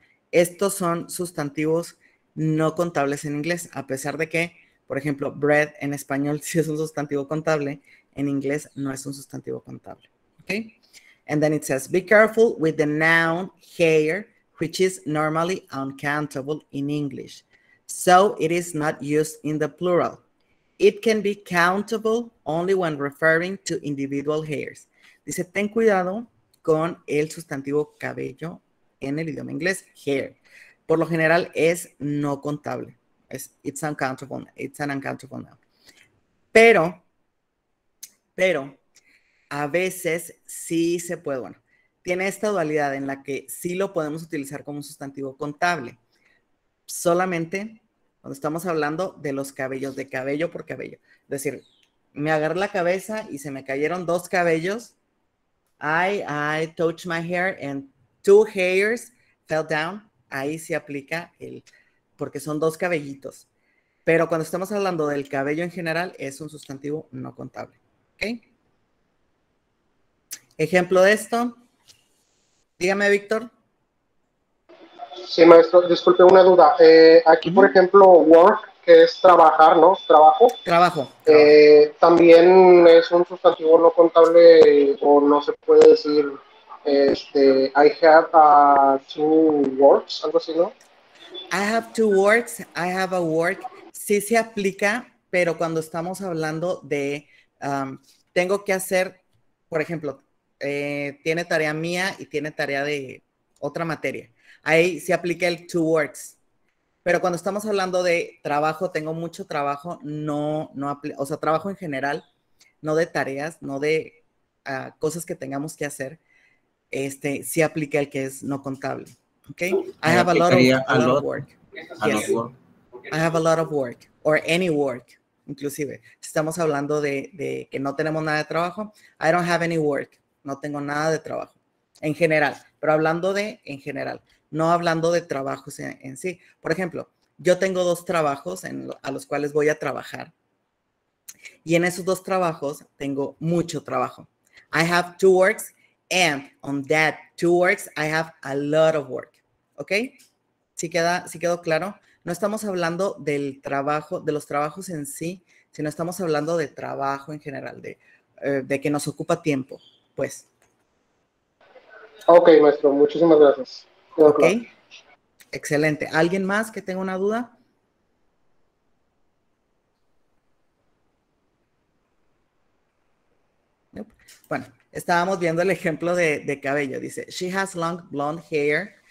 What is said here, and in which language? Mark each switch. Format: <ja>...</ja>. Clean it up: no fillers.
<es>Estos son sustantivos no contables en inglés, a pesar de que, por ejemplo, bread en español sí es un sustantivo contable, en inglés no es un sustantivo contable.</es> <en>Okay? And then it says, be careful with the noun hair, which is normally uncountable in English. So it is not used in the plural. It can be countable only when referring to individual hairs.</en> <es>Dice, ten cuidado con el sustantivo cabello en el idioma inglés, hair. Por lo general es no contable.</es> <en>It's an uncountable noun.</en> <es>Pero, a veces sí se puede, bueno, tiene esta dualidad en la que sí lo podemos utilizar como un sustantivo contable. Solamente cuando estamos hablando de los cabellos, de cabello por cabello. Es decir, me agarré la cabeza y se me cayeron dos cabellos.</es> <en>I touched my hair and two hairs fell down.</en> <es>Ahí se aplica porque son dos cabellitos. Pero cuando estamos hablando del cabello en general, es un sustantivo no contable. ¿Okay? Ejemplo de esto. Dígame, Víctor. Sí, maestro, disculpe, una duda. Aquí, por ejemplo, work, que es trabajar, ¿no? Trabajo. Trabajo. También es un sustantivo no contable, o no se puede decir,</es> <en>I have two works,</en> <es>algo así, ¿no?</es> <en>I have two works, I have a work.</en> <es>Sí se aplica, pero cuando estamos hablando de tengo que hacer, por ejemplo, tiene tarea mía y tiene tarea de otra materia. Ahí se aplica el</es> <en>two works.</en> <es>Pero cuando estamos hablando de trabajo, tengo mucho trabajo, no aplica, o sea, trabajo en general, no de tareas, no de cosas que tengamos que hacer. Sí aplica el que es no contable.</es> <en>Okay. I have a lot of work. Yes. I have a lot of work or any work.</en> <es>Inclusive, estamos hablando de que no tenemos nada de trabajo.</es> <en>I don't have any work.</en> <es>No tengo nada de trabajo. En general, pero hablando de en general, no hablando de trabajos en sí. Por ejemplo, yo tengo dos trabajos a los cuales voy a trabajar. Y en esos dos trabajos tengo mucho trabajo.</es> <en>I have two works and on that two works, I have a lot of work.</en> <es>¿Ok? ¿Sí quedó claro? No estamos hablando del trabajo, de los trabajos en sí, sino estamos hablando de trabajo en general, de que nos ocupa tiempo, pues. Ok, maestro, muchísimas gracias. Quedó ok, claro. Excelente. ¿Alguien más que tenga una duda? Bueno, estábamos viendo el ejemplo de cabello. Dice,</es> <en>she has long blonde hair.</en>